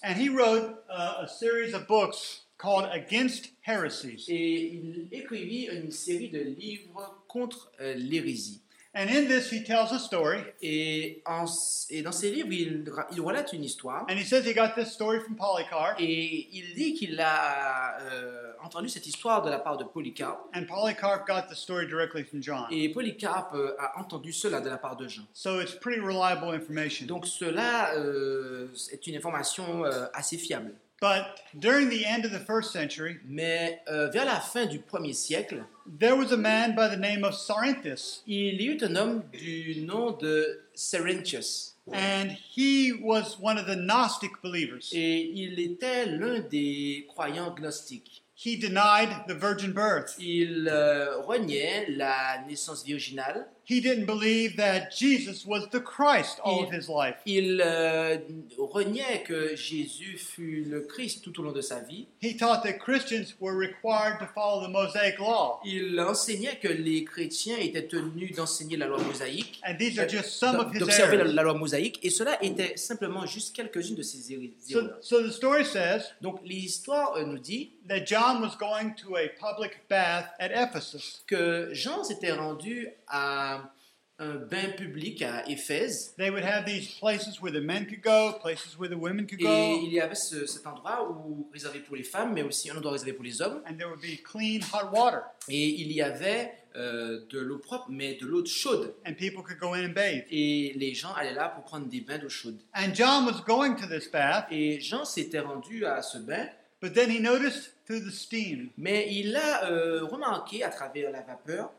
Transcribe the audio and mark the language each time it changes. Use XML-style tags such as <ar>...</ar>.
<en>And he wrote a series of books called Against Heresies.</en> <fr>Et il écrivit une série de livres contre l'hérésie.</fr> <en>And in this he tells a story.</en> <fr>Et dans ces livres, il relate une histoire.</fr> <en>And he says he got this story from Polycarp.</en> <fr>Et il dit qu'il a entendu cette histoire de la part de Polycarp.</fr> <en>And Polycarp got the story directly from John.</en> <fr>Et Polycarp a entendu cela de la part de Jean.</fr> <en>So it's pretty reliable information.</en> <fr>Donc cela est une information assez fiable.</fr> <en>But during the end of the first century,</en> <fr>mais vers la fin du premier siècle,</fr> <en>there was a man by the name of Cerinthus.</en> <fr>Il y eut un homme du nom de Cerinthus.</fr> <en>And he was one of the Gnostic believers.</en> <fr>Et il était l'un des croyants gnostiques.</fr> <en>He denied the virgin birth.</en> <fr>Il reniait la naissance virginale.</fr> <en>He didn't believe that Jesus was the Christ all of his life.</en> <fr>Il reniait que Jésus fut le Christ tout au long de sa vie.</fr> <en>He taught that Christians were required to follow the Mosaic law.</en> <fr>Il enseignait que les chrétiens étaient tenus d'enseigner la loi mosaïque.</fr> <en>And these are just some of his errors.</en> <fr>D'observer la loi mosaïque, et cela était simplement juste quelques-unes de ses erreurs.</fr> <en>So the story says.</en> <fr>Donc l'histoire nous dit</fr> <en>that John was going to a public bath at Ephesus.</en> <fr>Que Jean s'était rendu à un bain public à Éphèse.</fr> <en>They would have these places where the men could go, places where the women could go.</en> <fr>Et il y avait cet endroit où réservé pour les femmes, mais aussi un endroit réservé pour les hommes.</fr> <en>And there would be clean hot water.</en> <fr>Et il y avait de l'eau propre, mais de l'eau chaude.</fr> <en>And people could go in and bathe.</en> <fr>Et les gens allaient là pour prendre des bains d'eau chaude.</fr> <en>And John was going to this bath.</en> <fr>Et Jean s'était rendu à ce bain.</fr> <en>But then he noticed through the steam.</en> <fr>Mais il a remarqué à travers la vapeur.</fr>